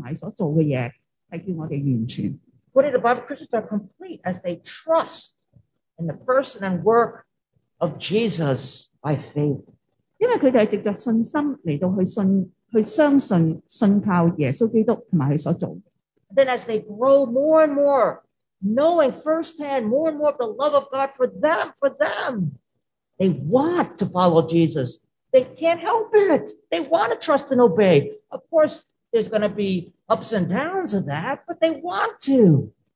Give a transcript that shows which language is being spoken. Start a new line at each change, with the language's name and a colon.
Chinese: 但是一个基督徒就不是了，一个基督徒他不是藉着他自己所做的事，叫他成为一个完全、一个完美的人，而他们是藉着相信耶稣基督和所做的事，是叫我们完全。
English: What did the Bible Christians are complete as they trust in the person and work of Jesus by faith?
Chinese: 因为他们是藉着信心来去相信、信靠耶稣基督和他所做的事。
English: Then as they grow more and more, knowing firsthand more and more of the love of God for them. They want to follow Jesus. They can't help it. They want to trust and obey. Of course, there's going to be ups and downs of that, but they want to.